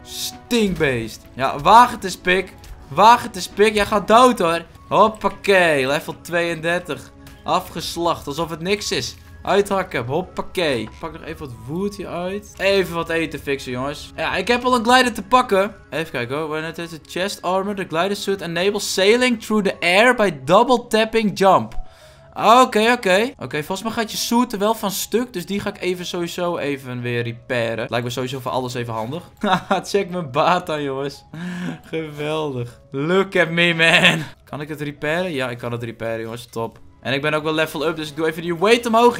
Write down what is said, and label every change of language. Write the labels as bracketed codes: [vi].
[nl] Stinkbeest. Ja, wagen te spik. Wagen te spik. Jij gaat dood, hoor. Hoppakee. Level 32. Afgeslacht. Alsof het niks is. Uithakken. Hoppakee. Ik pak nog even wat woed hier uit. Even wat eten fixen, jongens. Ja, ik heb al een glider te pakken. Even kijken, hoor. [en] When it is a chest armor, the glider suit enables sailing through the air by double tapping jump. [nl] Oké, volgens mij gaat je suit er wel van stuk. Dus die ga ik even sowieso even weer repairen. Lijkt me sowieso voor alles even handig. Haha, check mijn baat dan, jongens. Geweldig. [en] Look at me, man. [nl] Kan ik het repairen? Ja, ik kan het repairen, jongens. Top. En ik ben ook wel level up, dus ik doe even die weight omhoog.